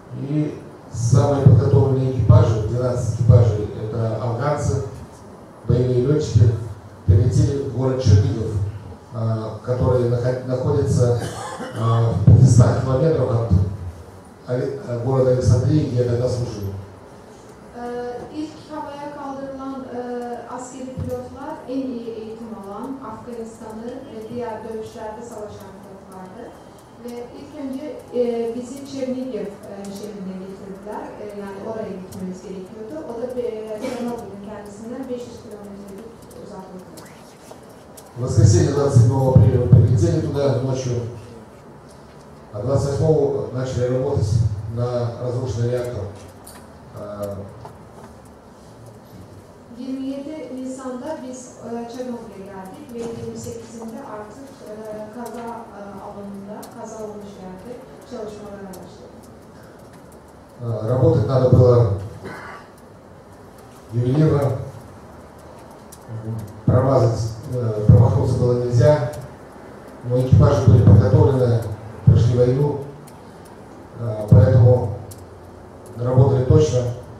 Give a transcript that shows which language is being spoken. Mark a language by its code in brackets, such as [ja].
[ru] И самые подготовленные экипажи, 12 экипажей, это афганцы, боевые летчики, прилетели в город Чернигов, который находится в 500 километрах от города Александрии, где я тогда служил. [tr] İlk havaya kaldırılan askeri pilotlar en iyi eğitim alan Afganistan'ı ve diğer dövüşlerde savaşan pilotlardı. Ve ilk önce bizi Çernigov şehrine getirdiler. Yani oraya gitmemiz gerekiyordu. O da Çernobil'in kendisinden 500 kilometrelik uzaklıkta. [ru] Воскресенье 27 апреля прилетели туда ночью, а 28 начали работать на разрушенный реактор. [tr] 27 Nisan'da biz Çernobil'e geldik ve 28'inde artık kaza alanında, kaza olmuş yerde çalışmalar başladık. [ru] Работать надо было ювелирно. Промахнуться было нельзя, но экипажи были подготовлены, прошли войну, поэтому работали точно.